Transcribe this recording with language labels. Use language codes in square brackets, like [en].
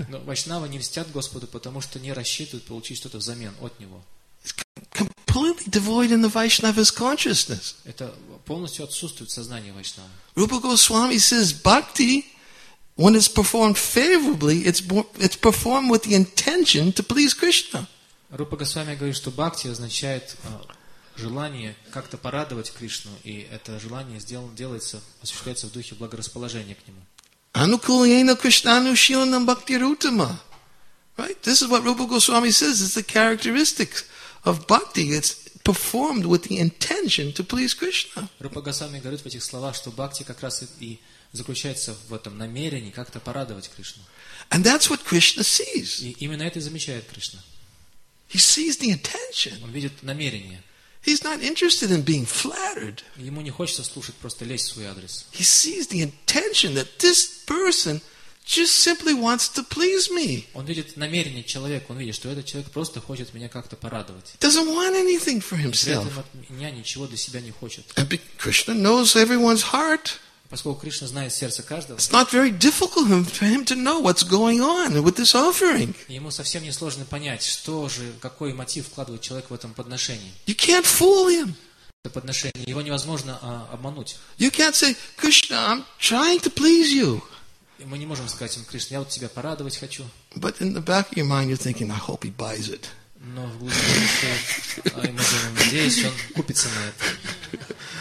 [ru] Но Вайшнавы не мстят Господу, потому что не рассчитывают получить что-то взамен от Него. [en] It's completely devoid in the Vaishnava's consciousness. [ru] Это полностью отсутствует в сознании Вайшнава. [en] Rupa Goswami says, bhakti, when it's performed favorably, it's performed with the intention to please Krishna. [ru] Rupa Goswami говорит, что бхакти означает желание как-то порадовать Кришну, и это желание делается, осуществляется в духе благорасположения к Нему. [sa] Anukulena Krishnanu Shilanam Bhakti Rutama. [en] Right? This is what Rupa Goswami says. It's the characteristics of bhakti. It's performed with the intention to please Krishna. [ru] Rupa Goswami говорит в этих словах, что бхакти как раз и заключается в этом намерении как-то порадовать Кришну. [en] And that's what Krishna sees. [ru] И именно это замечает Кришна. [en] He sees the intention. [ru] Он видит намерение. [en] He's not interested in being flattered. [ru] Ему не хочется слушать, просто лезть в свой адрес. [en] He sees the intention that this person just simply wants to please me. [ru] Он видит намерение человека, он видит, что этот человек просто хочет меня как-то порадовать. [en] Doesn't want anything for himself. [ru] При этом от меня ничего для себя не хочет. [en] And Krishna knows everyone's heart. [ru] Поскольку Кришна знает сердце каждого. [en] It's not very difficult for him to know what's going on with this offering. [ru] Ему совсем не сложно понять, что же, какой мотив вкладывает человек в этом подношении. [en] You can't fool him. [ru] Это подношение, его невозможно обмануть. [en] You can't say, Krishna, I'm trying to please you. [ru] И мы не можем сказать ему, Кришна, я вот тебя порадовать хочу. [en] But in the back of your mind you're thinking, I hope he buys it. [ru] Но в глубине души, мы думаем, надеюсь, он купится на это.